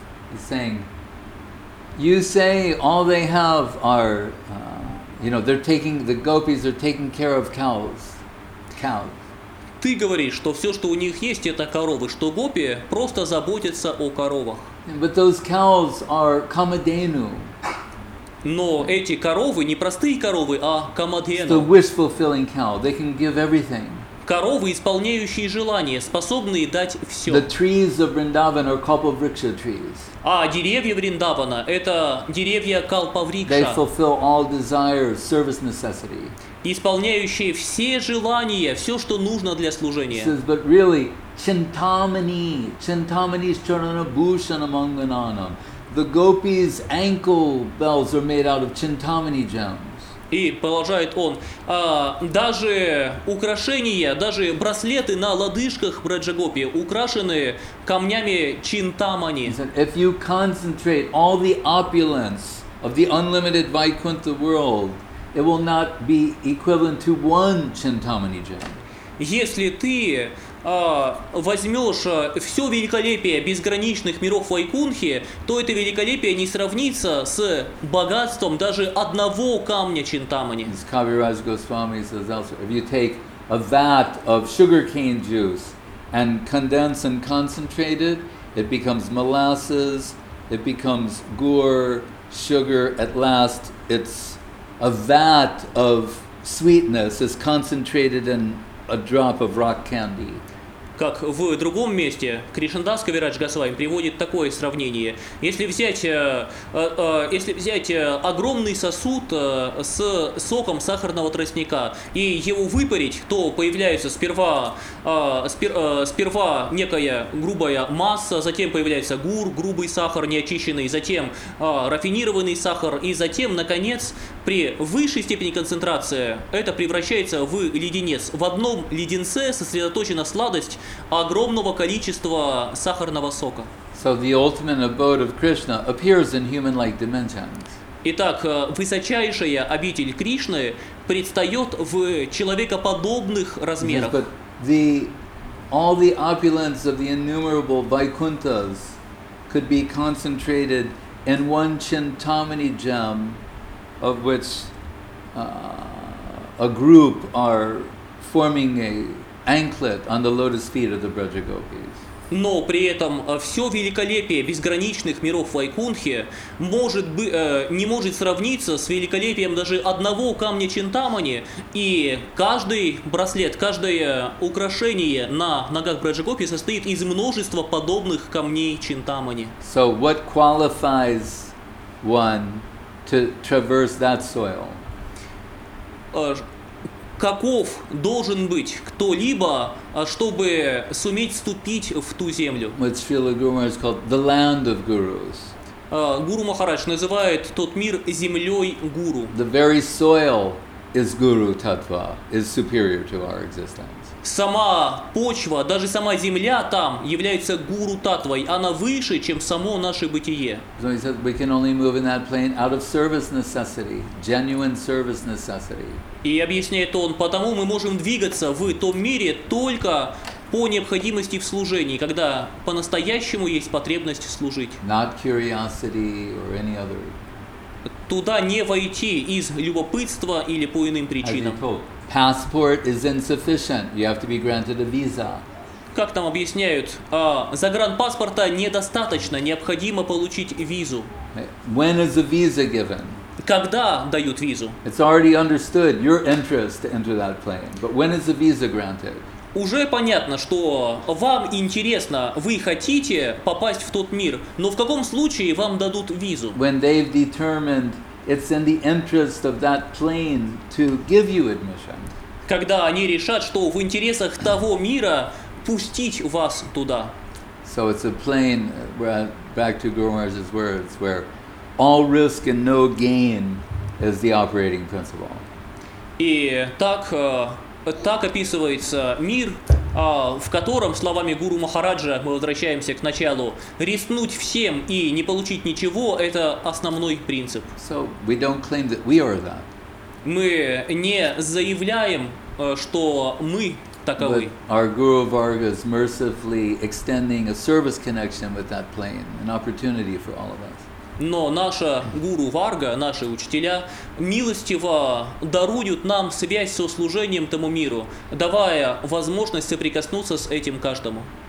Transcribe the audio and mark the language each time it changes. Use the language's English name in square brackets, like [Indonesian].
[English] He's saying, you say all they have are, you know, they're taking, the gopis are taking care of cows. [Russian] Ты говоришь, что все, что у них есть, это коровы, что гопи просто заботятся о коровах. [English] But those cows are Kamadhenu. [Russian] Но эти коровы не простые коровы, а Kamadhenu. [English] The wish-fulfilling cow. They can give everything. [Russian] Коровы, исполняющие желания, способные дать все. [English] The trees of Vrindavan are Kalpavriksha trees. [Russian] А деревья Вриндавана – это деревья Калпавриксха. [English] They fulfill all desires, service necessity. [Russian] Исполняющие все желания, все, что нужно для служения. [English] Says, but really, Chintamani is [Sanskrit] Charana Bhushana Manganam. [English] The gopis' ankle bells are made out of Chintamani gems. [Russian] И продолжает он, даже украшения, даже браслеты на лодыжках Браджагопи украшены камнями чинтамани. [English] If you concentrate all the opulence of the unlimited Vaikuntha world, it will not be equivalent to one chintamani gem. [Russian] Если ты возьмешь все великолепие безграничных миров Вайкунхи, то это великолепие не сравнится с богатством даже одного камня Чинтамани. [English] Кавирадж Госвами says also, if you take a vat of sugarcane juice and condense and concentrate it, it becomes molasses, it becomes gur, sugar, at last it's a vat of sweetness is concentrated in a drop of rock candy. [Russian] как в другом месте Кришнадас Кавирадж Госвами приводит такое сравнение. Если взять огромный сосуд с соком сахарного тростника и его выпарить, то появляется сперва некая грубая масса, затем появляется гур, грубый сахар неочищенный, затем рафинированный сахар, и затем, наконец, при высшей степени концентрации это превращается в леденец. В одном леденце сосредоточена сладость огромного количества сахарного сока. [English] So the ultimate abode of Krishna appears in human-like dimensions. [Russian] Итак, высочайшая обитель Кришны предстает в человекоподобных размерах. [English] But all the opulence of the innumerable Vaikunthas could be concentrated in one Chintamani gem, of which a group are forming an anklet on the lotus feet of the Brajagopis. [Russian] Но при этом все великолепие безграничных миров Вайкунхи не может сравниться с великолепием даже одного камня Чинтамани, и каждый браслет, каждое украшение на ногах Браджагопи состоит из множества подобных камней Чинтамани. [English] So what qualifies one to traverse that soil? [Russian] Каков должен быть кто-либо, чтобы суметь ступить в ту землю? [English] What Srila Guru Maharaj called the land of gurus. [Russian] Гуру Махарадж называет тот мир землей гуру. [English] The very soil is guru tattva, is superior to our existence. [Russian] Сама почва, даже сама земля там является гуру таттвой, она выше, чем само наше бытие. [English] So he said, we can only move in that plane out of service necessity, genuine service necessity. [Russian] И объясняет он, потому мы можем двигаться в том мире только по необходимости в служении, когда по-настоящему есть потребность служить. [English] Not curiosity or any other. [Russian] Туда не войти из любопытства или по иным причинам. [English] Passport is insufficient. You have to be granted a visa. [Russian] Как там объясняют, загранпаспорта недостаточно, необходимо получить визу. [English] When is a visa given? [Russian] Когда дают визу? [English] It's already understood your interest to enter that plane. But when is the visa granted? [Russian] Уже понятно, что вам интересно, вы хотите попасть в тот мир, но в каком случае вам дадут визу? [English] When they've determined it's in the interest of that plane to give you admission. [Russian] Когда они решат, что в интересах того мира пустить вас туда. [English] So it's a plane, back to Guru Maharaj's words, where all risk and no gain is the operating principle. [Russian] И так, так описывается мир, в котором, словами Гуру Махараджа, мы возвращаемся к началу, рискнуть всем и не получить ничего – это основной принцип. [English] So we don't claim that we are that. [Russian] Мы не заявляем, что мы таковы. [English] But our Guru Varga is mercifully extending a service connection with that plane, an opportunity for all of us. [Russian] Но наша гуру Варга, наши учителя, милостиво даруют нам связь со служением тому миру, давая возможность соприкоснуться с этим каждому.